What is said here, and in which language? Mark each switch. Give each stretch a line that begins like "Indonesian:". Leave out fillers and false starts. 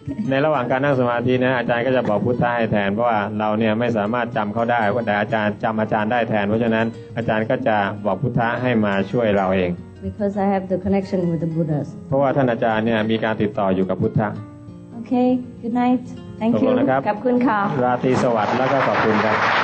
Thai: ในระหว่างการนั่งสมาธินะอาจารย์ก็จะบอกพุทธะให้แทนเพราะว่าเราเนี่ยไม่สามารถจำเขาได้แต่อาจารย์จำอาจารย์ได้แทนเพราะฉะนั้นอาจารย์ก็จะบอกพุทธะให้มาช่วยเราเอง
English: Because I have the connection with the Buddhas.
Thai: เพราะว่าท่านอาจารย์เนี่ยมีการติดต่ออยู่กับพุทธะ
English: Okay. Good night. Thank you.
Thai: ขอบคุ ณ ค่ะ ราตรีสวัสดิ์แล้วก็ขอบคุณครับ